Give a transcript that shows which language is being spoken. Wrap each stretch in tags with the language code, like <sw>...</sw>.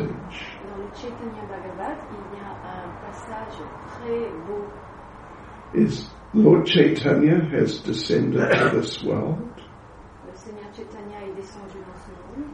<fr>Dans le Chaitanya Bhagavat, il y a un passage très beau.</fr> <en>Is Lord Chaitanya has descended to this world.</en> <fr>Le Seigneur Chaitanya est descendu dans ce monde.</fr>